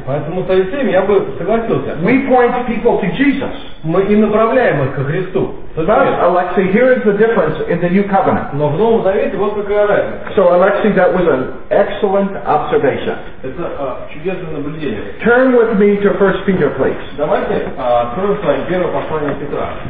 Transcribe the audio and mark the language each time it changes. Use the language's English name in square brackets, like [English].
[Russian] Поэтому с Алексеем я бы согласился. [English] We point people to Jesus. [Russian] Мы и направляем их ко Христу. [English] But Alexei, here is the difference in the New Covenant. [Russian] Но в Новом Завете вот какая разница. [English] So Alexei, that was an excellent observation. [Russian] Это чудесное наблюдение. [English] Turn with me to 1 Peter, please. [Russian] Давайте откроем с вами первое послание Петра.